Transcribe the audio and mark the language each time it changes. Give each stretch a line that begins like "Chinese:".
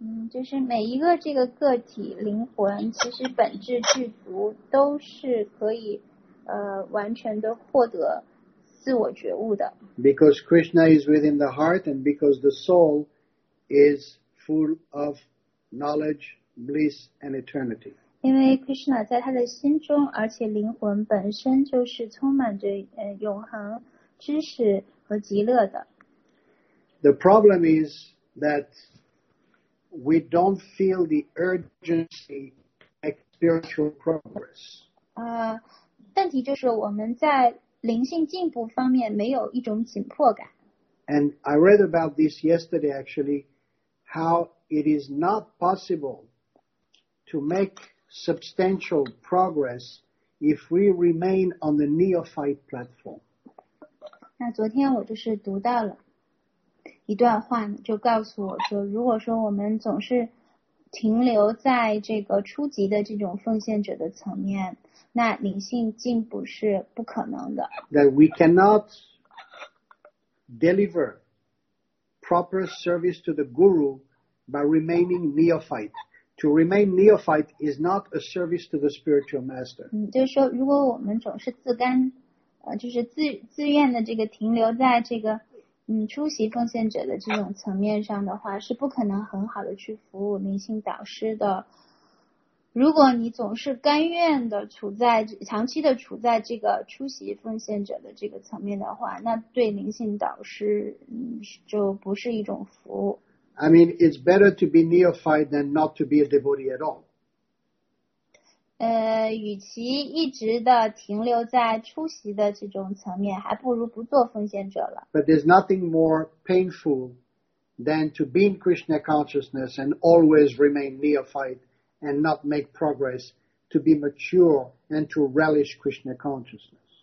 Chinese: 就是每一个这个个体灵魂其实本质具足都是可以完全的获得自我觉悟的。
English: Because Krishna is within the heart and because the soul is full of knowledge, bliss and eternity.
Chinese: 因为 Krishna 在他的心中，而且灵魂本身就是充满着永恒知识和极乐的。
English: The problem is that we don't feel the urgency of spiritual progress.
Chinese: 问题就是我们在灵性进步方面没有一种紧迫感。
English: And I read about this yesterday actually, how it is not possible to make substantial progress if we remain on the neophyte platform.
Chinese: 那昨天我就是读到了一段话，就告诉我说，如果说我们总是停留在这个初级的这种奉献者的层面，那灵性进步是不可能的。
English: That we cannot deliver proper service to the guru by remaining neophyte. To remain neophyte is not a service to the spiritual master.
Chinese: 就是说如果我们总是自甘就是 自愿的这个停留在这个出席奉献者的这种层面上的话是不可能很好的去服务灵性导师的。如果你总是甘愿的处在长期的处在这个出席奉献者的这个层面的话那对灵性导师就不是一种服务。
English: I mean, it's better to be neophyte than not to be a devotee at all.
Chinese: 与其一直的停留在出席的这种层面，还不如不做奉献者了。
English: But there's nothing more painful than to be in Krishna consciousness and always remain neophyte and not make progress to be mature and to relish Krishna consciousness.